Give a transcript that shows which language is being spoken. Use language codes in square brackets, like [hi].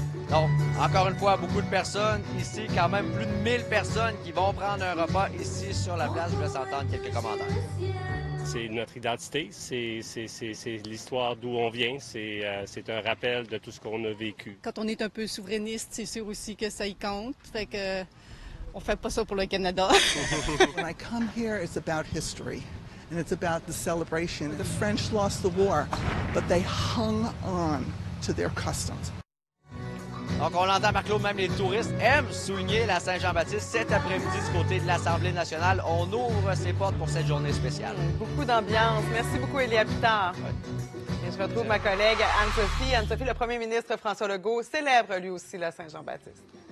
[fr] Donc, encore une fois, beaucoup de personnes ici, quand même plus de 1000 personnes qui vont prendre un repas ici sur la place. Je vais s'entendre quelques commentaires. C'est notre identité, c'est l'histoire d'où on vient, c'est un rappel de tout ce qu'on a vécu. Quand on est un peu souverainiste, c'est sûr aussi que ça y compte, fait que on fait pas ça pour le Canada. [en] When I come here, it's about history, and it's about the celebration. The French lost the war, but they hung on to their customs. [fr] Donc, on l'entend, Marc-Claude, même les touristes aiment souligner la Saint-Jean-Baptiste cet après-midi du côté de l'Assemblée nationale. On ouvre ses portes pour cette journée spéciale. Beaucoup d'ambiance. Merci beaucoup, Élie Habitant. Ouais. Et je retrouve ma collègue Anne-Sophie. Anne-Sophie, le premier ministre François Legault célèbre lui aussi la Saint-Jean-Baptiste.